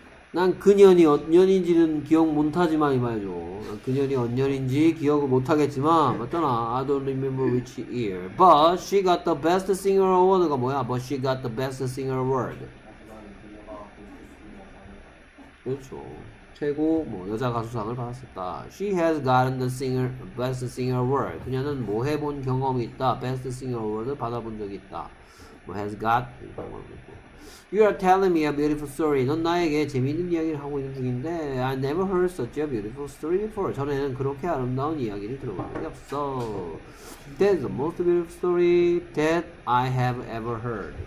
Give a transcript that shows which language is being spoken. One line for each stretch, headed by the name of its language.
Korean: 난 그년이 언년인지는 기억 못하지만 이 말이죠. 난 그년이 언년인지 기억을 못하겠지만 맞잖아.
English: I don't remember which year. But she got the best singer award가
Korean: 뭐야?
English: But she got the best singer award.
Korean: 그렇죠. 최고 뭐 여자 가수상을 받았었다.
English: She has gotten the singer best singer award.
Korean: 그녀는 뭐 해본 경험이 있다. Best singer award을 받아본 적이 있다. 뭐 has got.
English: You are telling me a beautiful story.
Korean: 넌 나에게 재미있는 이야기를 하고 있는 중인데
English: I never heard such a beautiful story before.
Korean: 전에는 그렇게 아름다운 이야기를 들어본 적이 없어.
English: That's the most beautiful story that I have ever heard.